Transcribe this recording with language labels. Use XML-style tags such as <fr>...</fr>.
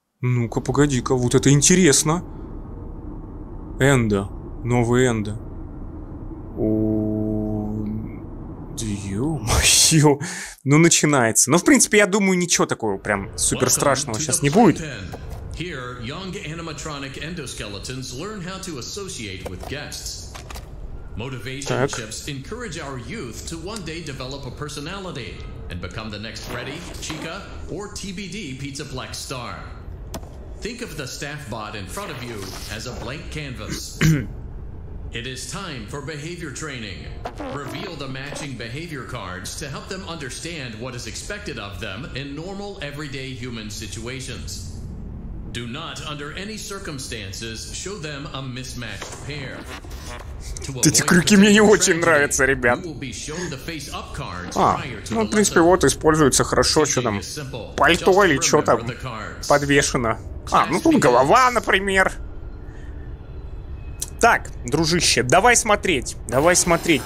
<ru>Ну-ка, погоди-ка, вот это интересно. Энда. Новый Энда. О, ё-моё. Ну, начинается. Ну, в принципе, я думаю, ничего такого прям супер страшного сейчас не будет.</ru> <en>Here, young animatronic endoskeletons learn how to associate with guests. Motivation chips encourage our youth to one day develop a personality and become the next Freddy, Chica, or TBD Pizza Plex star. Think of the staff bot in front of you as a blank canvas. It is time for behavior training. Reveal the matching behavior cards to help them understand what is expected of them in normal, everyday human situations. Do not, under any circumstances, show them a mismatched pair.</en> <ru>Эти крюки мне не очень нравятся, ребят. А, ну, в принципе, вот, используется хорошо, что там, пальто или что там подвешено. А, ну тут голова, например. Так, дружище, давай смотреть, давай смотреть.</ru>